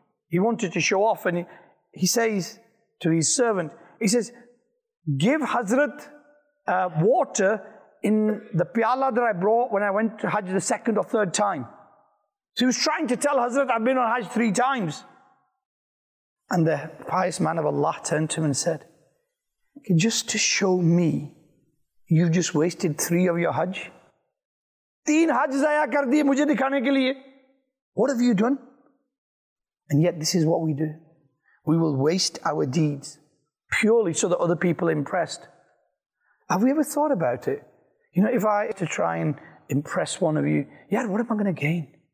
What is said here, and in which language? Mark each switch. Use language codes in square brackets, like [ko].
[en] He wanted to show off, and he says to his servant, he says, give Hazrat water in the piala that I brought when I went to Hajj the second or third time. So he was trying to tell Hazrat, I've been on Hajj 3 times. And the pious man of Allah turned to him and said, just to show me, you've just wasted 3 of your Hajj? [ur] ۳ حج ضائع کر دیے مجھے دکھانے کے لیے۔ [en] What have you done? And yet this is what we do. We will waste our deeds purely so that other people are impressed. Have we ever thought about it? You know, if I had to try and impress one of you, yeah, what am I going to gain?